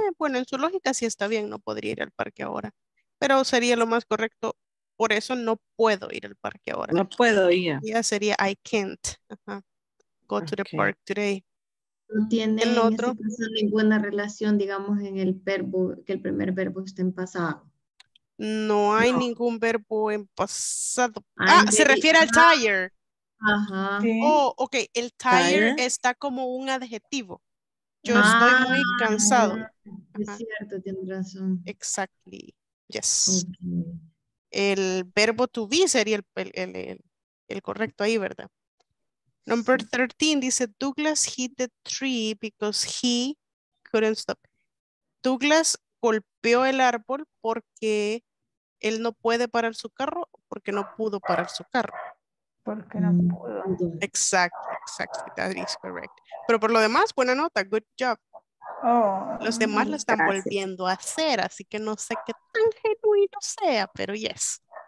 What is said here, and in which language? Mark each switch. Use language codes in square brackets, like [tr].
[es] Bueno, en su lógica sí está bien, no podría ir al parque ahora. Pero sería lo más correcto. Por eso no puedo ir al parque ahora. No puedo ir. Ya sería [en] I can't go to the park today. [es] No tiene el otro, en ese caso, ninguna relación, digamos, en el verbo, que el primer verbo esté en pasado. No hay ningún verbo en pasado. Ah, se refiere al tire. Ajá. Oh, ok. El tire está como un adjetivo. Yo estoy muy cansado. Es cierto, tienes razón. [en] Exactly. Yes. Okay. [es] El verbo to be sería el correcto ahí, ¿verdad? [en] Number 13 dice, Douglas hit the tree because he couldn't stop. [es] Douglas golpeó el árbol porque él no puede parar su carro, porque no pudo parar su carro. Porque no pudo. Exacto, [en] that is correct. [es] Pero por lo demás, buena nota, [en] good job. Oh, [es] los demás lo están volviendo a hacer, así que no sé qué tan genuino sea, pero yes.